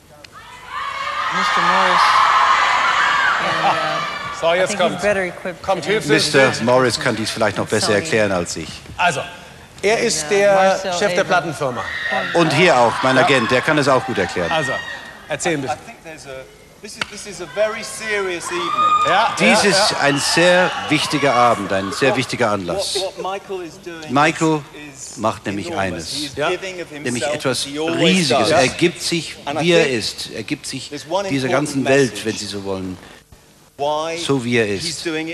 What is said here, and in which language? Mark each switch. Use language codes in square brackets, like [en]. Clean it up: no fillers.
[de] Mr. Morris. So, jetzt kommt. Mr. Morris kann dies vielleicht noch besser erklären als ich. Also, Er ist der Chef der Plattenfirma. Und hier auch, mein Agent, der kann es auch gut erklären. Also, erzähl ein bisschen. [en] This is a very serious evening. [de] Dies ist ein sehr wichtiger Abend, ein sehr wichtiger Anlass. Michael macht nämlich eines, nämlich etwas Riesiges. Er gibt sich, wie er ist. Er gibt sich dieser ganzen Welt, wenn Sie so wollen, so wie er ist.